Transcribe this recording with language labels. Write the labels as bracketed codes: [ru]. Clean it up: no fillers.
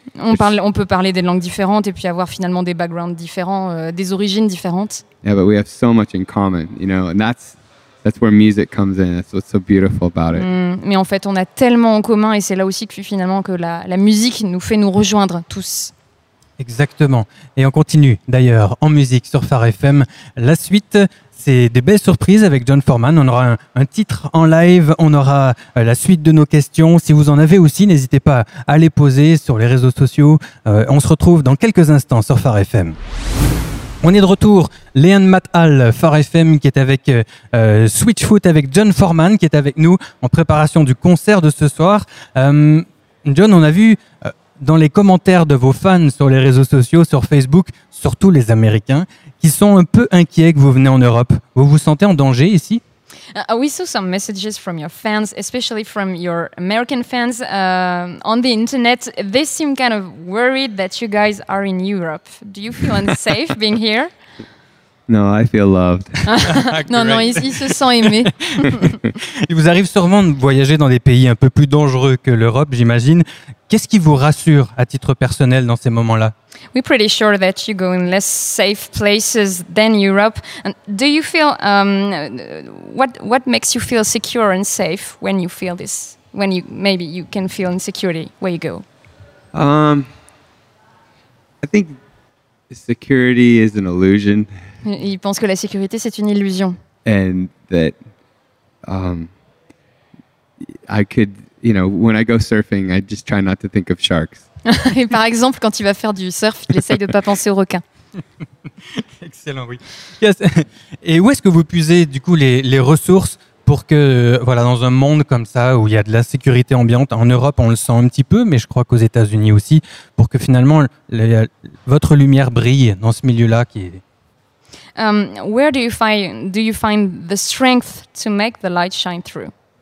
[fr] on peut parler des langues différentes et puis avoir finalement des backgrounds différents, des origines différentes. [en] Yeah, but we have so much in common, you know, and that's where music comes in. That's what's so beautiful about it. [fr] Mais en fait, on a tellement en commun, et c'est là aussi que finalement que la musique nous fait nous rejoindre tous. Exactement. Et on continue d'ailleurs en musique sur Phare FM. La suite, c'est des belles surprises avec John Foreman. On aura un titre en live. On aura la suite de nos questions. Si vous en avez aussi, n'hésitez pas à les poser sur les réseaux sociaux. On se retrouve dans quelques instants sur Phare FM. On est de retour. Leanmat Hall, Phare FM, qui est avec Switchfoot, avec John Foreman, qui est avec nous en préparation du concert de ce soir. John, on a vu dans les commentaires de vos fans sur les réseaux sociaux, sur Facebook, surtout les Américains, qui sont un peu inquiets que vous venez en Europe. Vous vous sentez en danger ici ? [en] We saw some messages from your fans, especially from your American fans on the internet. They seem kind of worried that you guys are in Europe. Do you feel unsafe being here? No, I feel loved. [fr] Non, il se sent aimé. Il vous arrive sûrement de voyager dans des pays un peu plus dangereux que l'Europe, j'imagine. Qu'est-ce qui vous rassure à titre personnel dans ces moments-là? [en] We're pretty sure that you go in less safe places than Europe. And do you feel what makes you feel secure and safe when you feel this? When you maybe you can feel insecurity where you go? I think security is an illusion. [fr] Il pense que la sécurité c'est une illusion. [en] And that I could, you know, when I go surfing, I just try not to think of sharks. [fr] Et par exemple, quand il va faire du surf, il essaye de ne pas penser aux requins. Excellent, oui. Yes. Et où est-ce que vous puisez du coup les ressources pour que, voilà, dans un monde comme ça, où il y a de la sécurité ambiante, en Europe, on le sent un petit peu, mais je crois qu'aux États-Unis aussi, pour que finalement, votre lumière brille dans ce milieu-là qui est... [en] Where do you find the strength to make the light shine through?